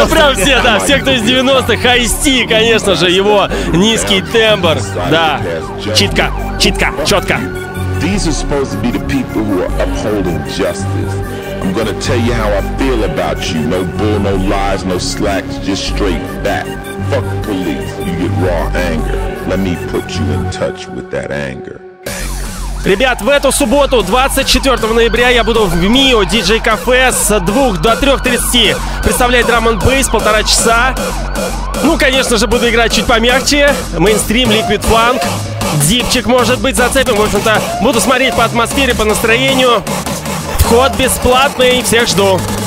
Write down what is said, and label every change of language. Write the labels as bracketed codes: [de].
[ru] Ну прям все, да, все, кто из 90-х. Хай-Си, конечно же, его низкий тембр. Да, четко. [en] These are supposed to be the people who are upholding justice. I'm gonna tell you how I feel about you. No bull, no lies, no slacks, just straight back. Fuck police, you get raw anger. Let me put you in touch with that anger. [ru] Ребят, в эту субботу, 24 ноября, я буду в МИО, диджей кафе с 2 до 3.30 представлять Drum & Bass полтора часа. Ну, конечно же, буду играть чуть помягче. Мейнстрим, ликвид фанк, дипчик, может быть, зацепим. В общем-то, буду смотреть по атмосфере, по настроению. Вход бесплатный, всех жду.